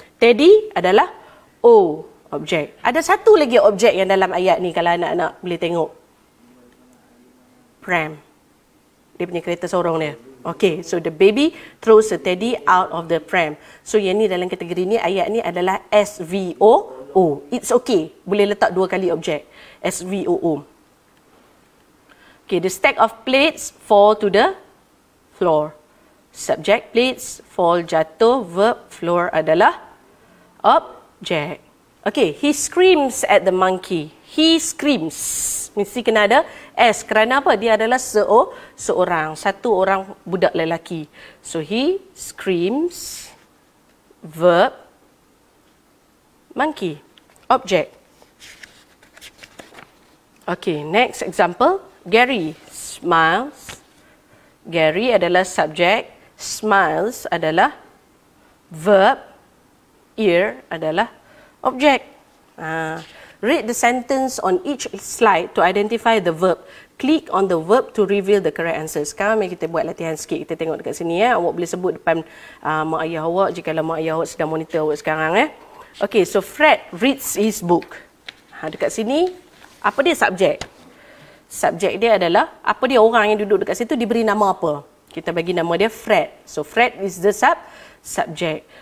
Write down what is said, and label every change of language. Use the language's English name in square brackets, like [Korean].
[Malay] Teddy adalah o, objek. Ada satu lagi objek yang dalam ayat ni, kalau anak-anak boleh tengok pram, dia punya kereta sorong dia. [English] Okay, so the baby throws a teddy out of the pram. [Malay] So yang ni dalam kategori ni, ayat ni adalah S-V-O-O. [English] It's okay, [Malay] boleh letak dua kali objek. S-V-O-O. [English] Okay, the stack of plates fall to the floor. Subject, plates, fall, jatuh, verb, floor [Malay] adalah objek. [English] Okay, he screams at the monkey. He screams. [Malay] Mesti kena ada S. Kerana apa? Dia adalah seorang. Satu orang budak lelaki. [English] So, he screams. Verb. Monkey. Object. Okay, next example. Gary smiles. Gary adalah subject. Smiles adalah verb. Ear adalah object. Read the sentence on each slide to identify the verb. Click on the verb to reveal the correct answer. [Malay] Sekarang mari kita buat latihan sikit. Kita tengok dekat sini. Ya. Awak boleh sebut depan mak ayah awak jika mak ayah awak sedang monitor awak sekarang. Ya. [English] Okay, so Fred reads his book. [Malay] Dekat sini, apa dia subjek? Subjek dia adalah, apa dia orang yang duduk dekat situ diberi nama apa? Kita bagi nama dia Fred. [English] So Fred is the subject.